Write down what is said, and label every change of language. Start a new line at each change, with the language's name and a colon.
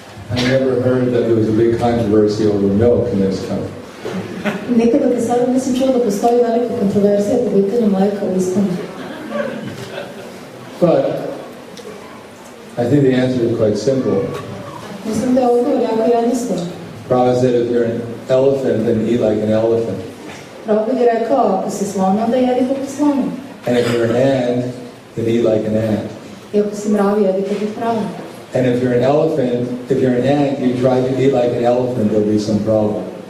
English: I never heard that there was a big controversy over milk in this country.
Croatian: Nikada do sada nisam čuo da postoji velika kontroverzija po pitanju mlijeka u ISKCON.
English: But I think the answer is quite simple.
Croatian: Mislim da je odgovor jako jednostavan.
English: Prabhupada said, if you're an elephant, then eat like an elephant.
Croatian: Prabhupada je rekao, ako si slon, onda jedi poput slona.
English: And if you're an ant, then eat like an ant.
Croatian: I ako si mrav, jedi poput mrava.
English: And if you're an elephant, if you're an ant, you try to eat like an elephant, there'll be some problem.